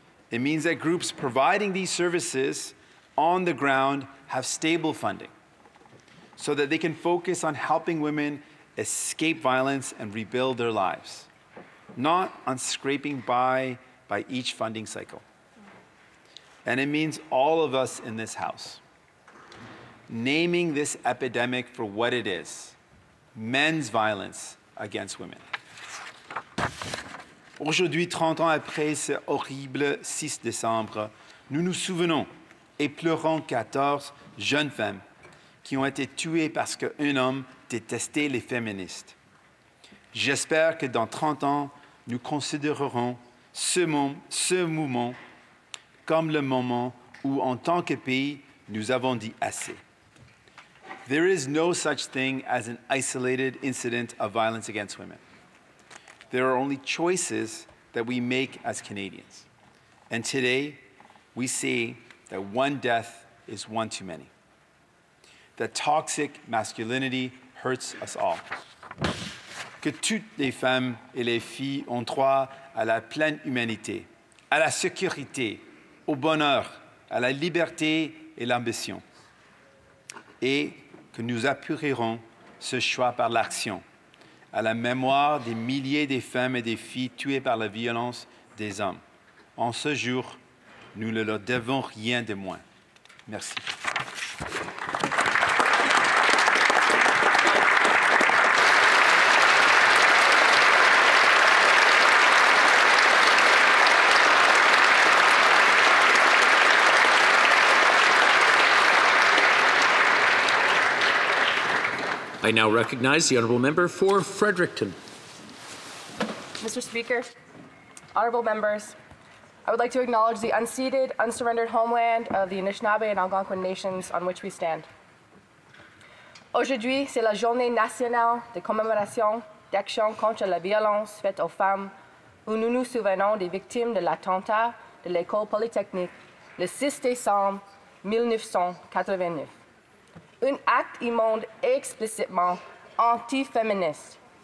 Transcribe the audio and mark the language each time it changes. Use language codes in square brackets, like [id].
[en] It means that groups providing these services on the ground have stable funding so that they can focus on helping women escape violence and rebuild their lives, not on scraping by each funding cycle. And it means all of us in this house naming this epidemic for what it is, men's violence against women. [fr] Aujourd'hui, 30 ans après ce horrible 6 décembre, nous nous souvenons et pleurons 14 jeunes femmes qui ont été tuées parce qu'un homme détestait les féministes. J'espère que dans 30 ans, nous considérerons ce mouvement comme le moment où, en tant que pays, nous avons dit assez. [en] There is no such thing as an isolated incident of violence against women. There are only choices that we make as Canadians. And today, we see that one death is one too many. That toxic masculinity hurts us all. [fr] Que toutes les femmes et les filles ont droit à la pleine humanité, à la sécurité, au bonheur, à la liberté et l'ambition. Et que nous appuierons ce choix par l'action. À la mémoire des milliers de femmes et des filles tuées par la violence des hommes. En ce jour, nous ne leur devons rien de moins. Merci. [en] I now recognize the honourable member for Fredericton. Mr. Speaker, honourable members, I would like to acknowledge the unceded, unsurrendered homeland of the Anishinaabe and Algonquin nations on which we stand. [fr] Aujourd'hui, c'est la journée nationale de commémoration d'action contre la violence faite aux femmes où nous nous souvenons des victimes de l'attentat de l'École polytechnique le 6 décembre 1989. Un acte immonde explicitement anti-féministe.